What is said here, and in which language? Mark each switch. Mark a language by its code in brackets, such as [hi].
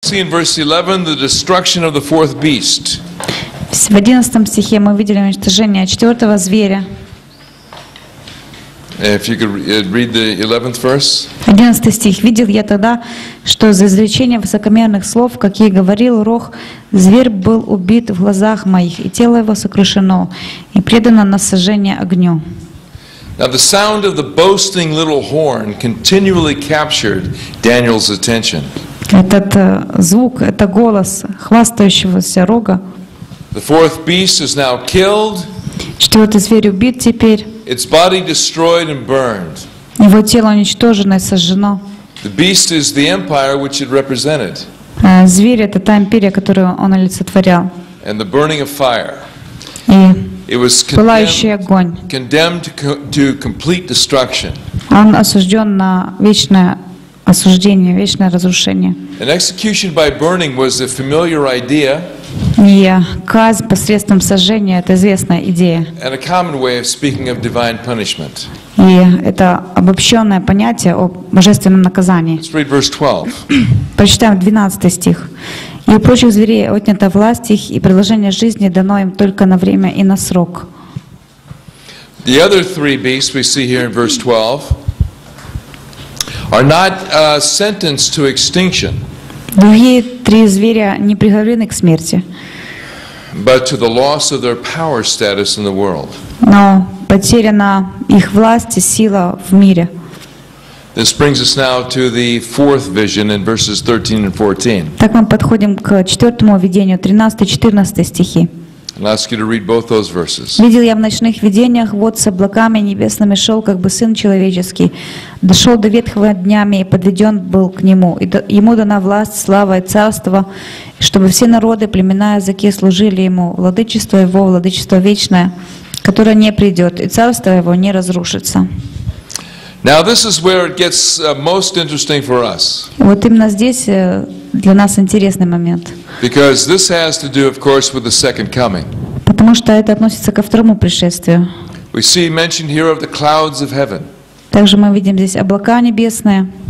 [en] See in verse 11 the destruction of the fourth beast. [ru] В 11 стихе мы видели уничтожение четвертого зверя. [en] If you could read the 11th verse. [ru] 11 стих. Видел я тогда, что за извлечение высокомерных слов, как ей говорил Рог, зверь был убит в глазах моих, и тело его сокрушено, и предано на сожжение огню. [en] Now the sound of the boasting little horn continually captured Daniel's attention. [ru] Этот звук, это голос хвастающегося рога. [en] The fourth beast is now killed. [ru] Четвертый зверь убит теперь. [en] Its body destroyed and burned. [ru] Его тело уничтожено и сожжено. [en] The beast is the empire which it represented. [ru] Зверь — это та империя, которую он олицетворял. [en] And the burning of fire. [ru] И [en] it was [ru] пылающий огонь. [en] Condemned to complete destruction. [ru] Он осужден на вечное осуждение, вечное разрушение. [en] An execution by burning was a familiar idea. [ru] И казнь посредством сожжения — это известная идея. [en] And a common way of speaking of divine punishment. [ru] И это обобщенное понятие о божественном наказании. [en] Let's read verse 12. [ru] Прочитаем 12 стих. «И у прочих зверей отнята власть их, и продолжение жизни дано им только на время и на срок». [en] The other three beasts we see here in verse 12 are not sentenced to extinction. [ru] Другие три зверя не приговорены к смерти. [en] But to the loss of their power status in the world. [ru] Но потеряна их власть и сила в мире. [en] This brings us now to the fourth vision in verses 13 and 14. [ru] Так мы подходим к четвертому видению, 13-14 стихи. [en] I'll ask you to read both those verses. [ru] Видел я в ночных видениях, вот с облаками небесными шел, как бы сын человеческий, дошел до ветхого днями и подведен был к нему, и ему дана власть, слава и царство, чтобы все народы, племена, языки служили ему, владычество его, владычество вечное, которое не придет, и царство его не разрушится. [en] Now this is where it gets most interesting for us. [ru] Вот именно здесь для нас интересный момент. [en] Because this has to do, of course, with the second coming. [ru] Потому что это относится ко второму пришествию. [en] We see mentioned here of the clouds of heaven. [ru] Также мы видим здесь облака небесные.